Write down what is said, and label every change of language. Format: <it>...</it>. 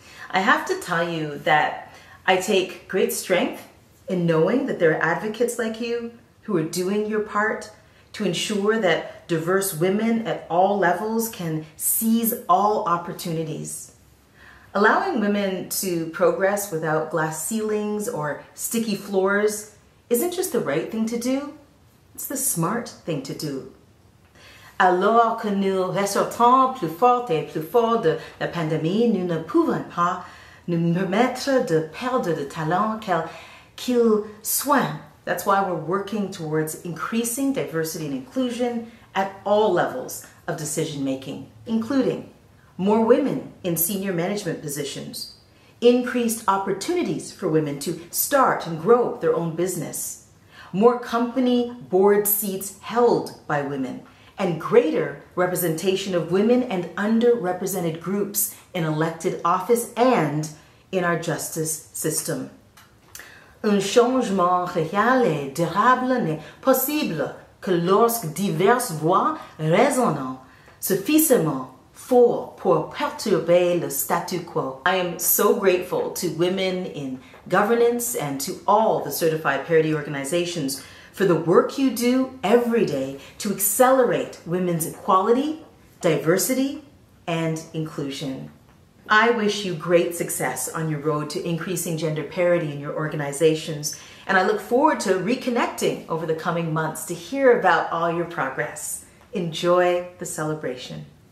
<en>I have to tell you that I take great strength in knowing that there are advocates like you who are doing your part to ensure that diverse women at all levels can seize all opportunities. Allowing women to progress without glass ceilings or sticky floors isn't just the right thing to do, it's the smart thing to do.</en> <fr>Alors que nous ressortons plus fort et plus fort de la pandémie, nous ne pouvons pas nous permettre de perdre de talent qu'il soit.</fr> <en>That's why we're working towards increasing diversity and inclusion at all levels of decision making, including more women in senior management positions, increased opportunities for women to start and grow their own business, more company board seats held by women, and greater representation of women and underrepresented groups in elected office and in our justice system.</en> <fr>Un changement réel et durable n'est possible que lorsque diverses voix résonnent suffisamment fort pour perturber le statu quo.</fr> <en>I am so grateful to Women in Governance and to all the certified parity organizations for the work you do every day to accelerate women's equality, diversity, and inclusion. I wish you great success on your road to increasing gender parity in your organizations, and I look forward to reconnecting over the coming months to hear about all your progress. Enjoy the celebration.</en>